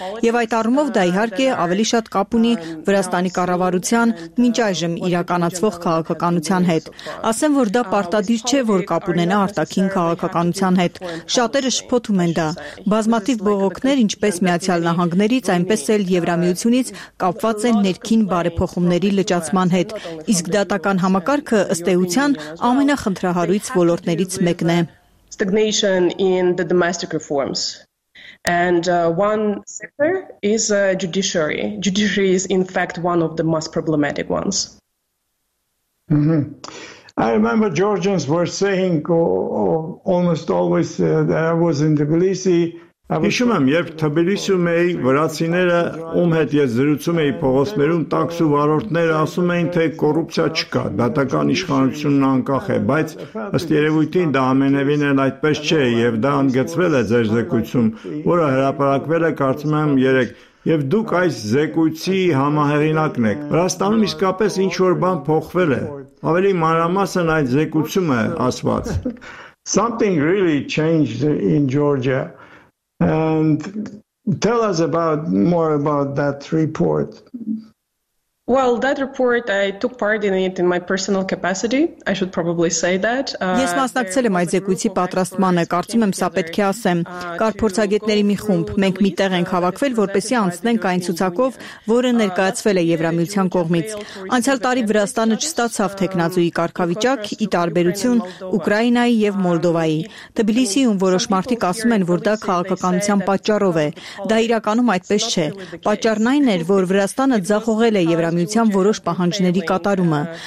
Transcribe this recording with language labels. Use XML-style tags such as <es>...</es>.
<hy>եւ այդ առումով դա իհարկե ավելի շատ կապ ունի Վրաստանի կառավարության մինչ այժմ իրականացվող քաղաքականության հետ։ Ասեմ, որ դա պարտադիր չէ, որ կապ ունենա արտաքին քաղաքականության հետ։ Շատերը շփոթում են դա։ Բազմաթիվ բողոքներ, ինչպես Միացյալ Նահանգներից, այնպես էլ Եվրամիությունից, կապված են ներքին բարեփոխումների լճացման հետ, իսկ դատական համակարգը ըստ էության ամենախնդրահարույց ոլորտներից մեկն է։</hy> <en>Stagnation in the domestic reforms. And one sector is judiciary. Judiciary is, in fact, one of the most problematic ones. Mm-hmm. I remember Georgians were saying almost always that I was in Tbilisi.</en> <hy>Հիշում եմ, երբ Թբիլիսիում էի, վրացիները, ում հետ ես զրուցում էի փողոցներում, տաքսու վարորդները ասում էին, թե կոռուպցիա չկա, դատական իշխանությունն անկախ է, բայց ըստ երևույթին դա ամենևին էլ այդպես չէ, և դա ընդգծվել է ձեր զեկույցում, որը հրապարակվել է, կարծում եմ, 3 Եվ դուք այս զեկույցի համահեղինակն եք։ Վրաստանում իսկապես ինչ-որ բան փոխվել է, ավելի մանրամասն այդ զեկույցը ասված։</hy> <en>Something really changed in Georgia. And tell us about more about that report. Well, that report, I took part in it in my personal capacity. I should probably say that.</en> <hy>Ես մասնակցել եմ այդ զեկույցի պատրաստմանը, կարծում եմ, սա պետք է ասեմ։ Կար փորձագետների մի խումբ, մենք մի տեղ ենք հավաքվել, որպեսզի անցնենք այն ցուցակով, որը ներկայացվել է Եվրամիության կողմից։ Անցյալ տարի Վրաստանը չստացավ տեխնազույի կարգավիճակ ի տարբերություն Ուկրաինայի եւ Մոլդովայի։ Թբիլիսիում որոշ մարդիկ ասում են, որ դա քաղաքականության պատճառով է։ Դա իրականում այդպես չէ։ Պատճառն այն էր, որ Վրաստանը ձախողել է Եվրամիության որոշ պահանջների կատարումը։</hy>